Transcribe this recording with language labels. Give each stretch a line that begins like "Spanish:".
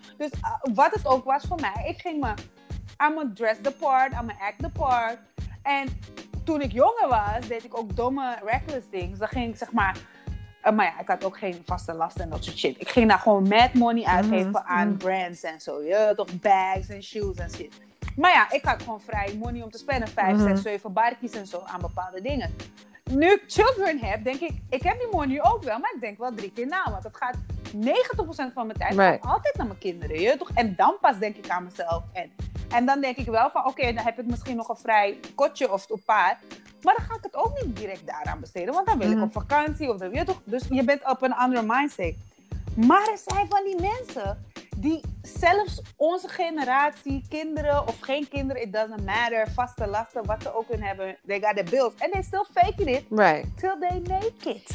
Dutch: Dus wat het ook was voor mij, ik ging me...
English: I'm gonna dress the part, I'm gonna act the part.
Dutch: En toen ik jonger was, deed ik ook domme,
English: reckless things.
Dutch: Dan ging ik zeg maar... maar ja, ik had ook geen vaste lasten en dat soort shit. Ik ging daar gewoon
English: mad money
Dutch: uitgeven aan brands en zo. Ja, toch bags en shoes en shit. Maar ja, ik had gewoon vrij money om te spenden. 5, 6, 7 barkies en zo aan bepaalde dingen. Nu ik children heb, denk ik... Ik heb die money ook wel, maar ik denk wel 3 keer na. Want dat gaat 90% van mijn tijd altijd naar mijn kinderen. Je, toch? En dan pas denk ik aan mezelf. En dan denk ik wel van, oké, dan heb ik misschien nog een vrij kotje of een paar. Maar dan ga ik het ook niet direct daaraan besteden. Want dan wil ik op vakantie. Of dan, je, toch? Dus je bent op een andere mindset. Maar er zijn van die mensen... Die zelfs onze generatie, kinderen of geen kinderen,
English: it doesn't matter,
Dutch: vaste lasten, wat ze ook in hebben,
English: they got the bills. And they still faking it till they make it.